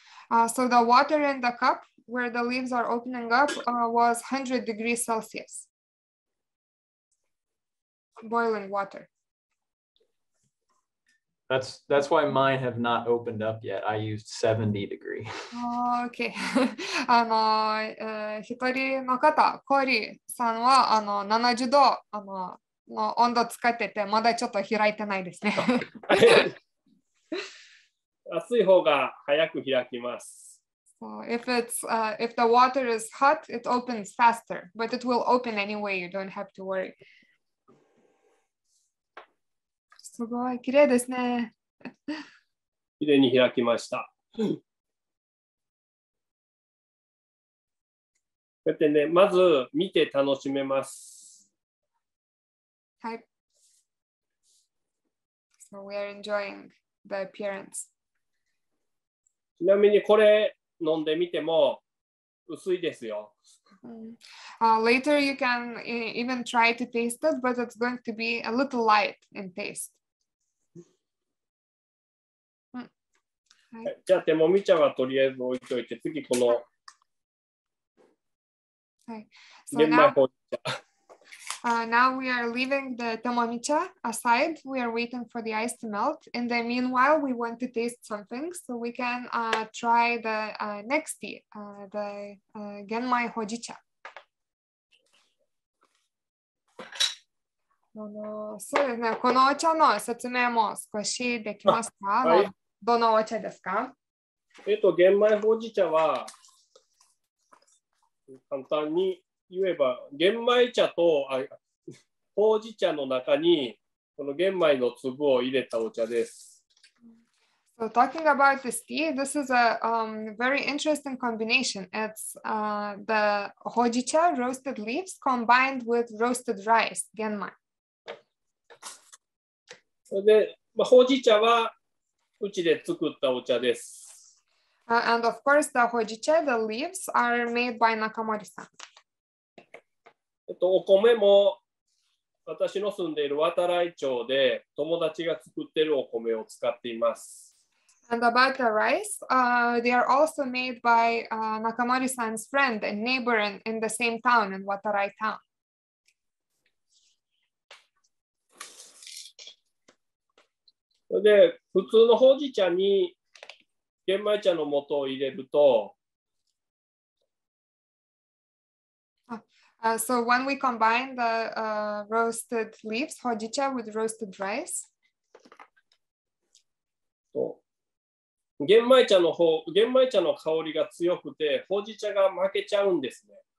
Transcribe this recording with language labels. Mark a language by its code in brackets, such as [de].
[en] So the water in the cup where the leaves are opening up was 100 degrees Celsius. Boiling water. That's why mine have not opened up yet. I used 70 degrees. Okay. [ja] あの、一人の方、コーリーさんはあの70度あのの温度使ってて、まだちょっと開いてないですね。暑い方が早く開きます。 [en] So if it's if the water is hot, it opens faster, but it will open anyway. You don't have to worry. [ja] すごい綺麗ですね。綺麗に開きました。こうやってね、まず見て楽しめます。はい。 [en] So we are enjoying the appearance. [ja] ちなみにこれ飲んでみても薄いですよ。 [en] Later you can even try to taste it, but it's going to be a little light in taste.、 [ja] じゃあ手もみ茶はとりあえず置いといて、次この、 [en] はい、so、now we are leaving the tomomicha aside. We are waiting for the ice to melt. In the meanwhile, we want to taste something so we can try the next tea, the genmai hojicha. [ja] そうですね。このお茶の説明も少しできますか？はい。どのお茶ですか？玄米ほうじ茶は簡単に言えば玄米茶とほうじ茶の中にこの玄米の粒を入れたお茶です。 [en] So talking about this tea, this is a very interesting combination. It's the ほうじ茶 roasted leaves combined with roasted rice 玄米。 [ja] で、まあ、ほうじ茶はうちで作ったお茶です。 [en] And of course, the ほうじ茶 the leaves are made by Nakamori さん。 [ja] お米も私の住んでいる渡来町で友達が作っているお米を使っています。 [en] And about the rice, they are also made by Nakamori-san's friend and neighbor in the same town, in Watarai town. [ja] で、普通のほうじ茶に玄米茶の素を入れると、 [en] So when we combine the roasted leaves, hojicha with roasted rice. [ja] So, 玄米茶の香りが強くて、ほうじ茶が負けちゃうんですね。